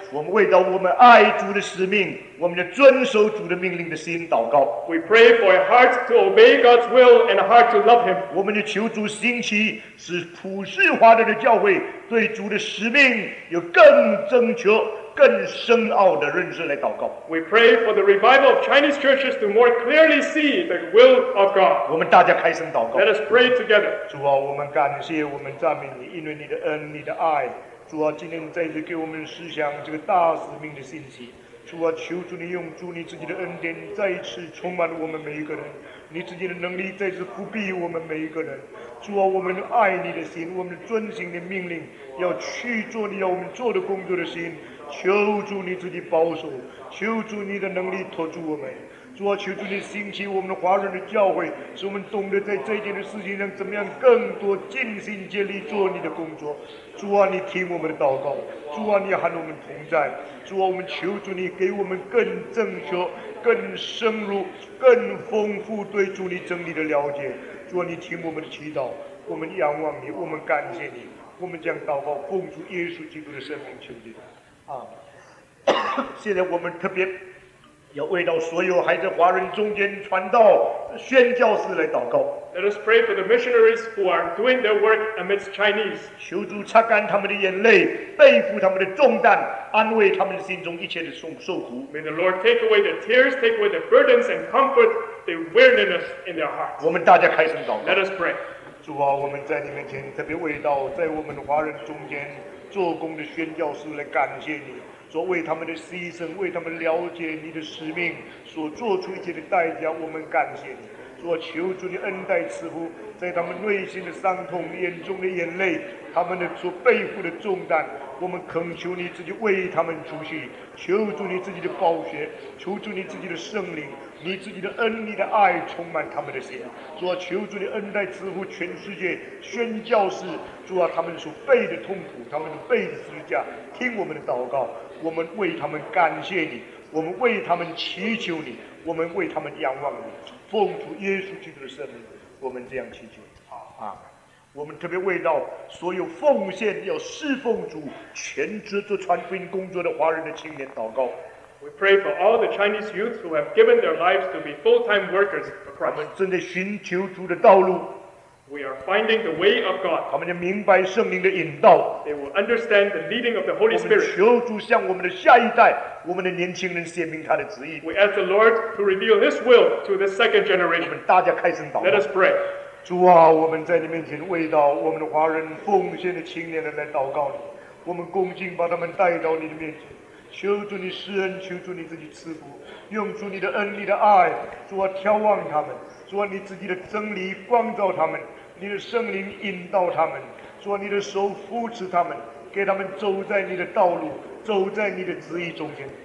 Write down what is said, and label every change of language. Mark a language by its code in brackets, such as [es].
[zh] 我们为着我们爱主的使命，我们要遵守主的命令的心祷告。 [en] We pray for a heart to obey God's will and a heart to love Him. [zh] 我们就求主兴起，使普世华人的教会对主的使命有更正确、更深奥的认识来祷告。 [en] We pray for the revival of Chinese churches to more clearly see the will of God. [zh] 我们大家开声祷告。 [en] Let us pray together. [zh] 主啊，我们感谢，我们赞美你，因为你的恩，你的爱。主啊，今天再次给我们思想这个大使命的信息。主啊，求主你用主你自己的恩典再次充满我们每一个人，你自己的能力再次覆庇我们每一个人。主啊，我们爱你的心，我们遵行你的命令，要去做你要我们做的工作的心。求主你自己保守，求主你的能力托住我们。主啊，求主你兴起我们的华人的教会，使我们懂得在这件的事情上怎么样更多尽心竭力做你的工作。主啊，你听我们的祷告。主啊，你和我们同在。主啊，我们求主你给我们更正确、更深入、更丰富对主你真理的了解。主啊，你听我们的祈祷，我们仰望你，我们感谢你，我们将祷告奉主耶稣基督的圣名求你。现在我们特别要为到所有还在华人中间传道宣教士来祷告。 [en] Let us pray for the missionaries who are doing their work amidst Chinese. [zh] 求主擦干他们的眼泪，背负他们的重担，安慰他们心中一切的受苦。 [en] May the Lord take away the tears, take away the burdens, and comfort the weariness in their hearts. [zh] 我们大家开声祷告。 [en] Let us pray. [zh] 主啊，我们在你面前特别为到在我们华人中间。做工的宣教士来感谢你，说为他们的牺牲，为他们了解你的使命所做出一切的代价，我们感谢你。说求主你恩待慈父，在他们内心的伤痛、眼中的眼泪、他们的所背负的重担，我们恳求你自己为他们除去。求主你自己的宝血，求主你自己的圣灵，你自己的恩、你的爱充满他们的心。主啊，求主你恩待慈父全世界宣教士，主啊，他们所背的痛苦，他们所背的十字架，听我们的祷告，我们为他们感谢你，我们为他们祈求你，我们为他们仰望你。奉主耶稣基督的圣名，我们这样祈求。我们特别为到所有奉献要侍奉主、全职做传福音工作的华人的青年祷告。 [en] We pray for all the Chinese youth who have given their lives to be full-time workers for Christ. [zh] 他们正在寻求主的道路。 [en] We are finding the way of God. [zh] 他们要明白圣灵的引导。 [en] They will understand the leading of the Holy Spirit. [zh] 我们求主向我们的下一代、我们的年轻人显明他的旨意。 [en] We ask the Lord to reveal His will to the second generation. [zh] 我们大家开声祷告。 [en] Let us pray. [zh] 主啊，我们在你面前为到我们的华人奉献的青年人来祷告你，我们恭敬把他们带到你的面前，求主你施恩，求主你自己赐福，用主你的恩，你的爱，主啊眺望他们，主啊你自己的真理光照他们，你的圣灵引导他们，主啊你的手扶持他们，给他们走在你的道路，走在你的旨意中间。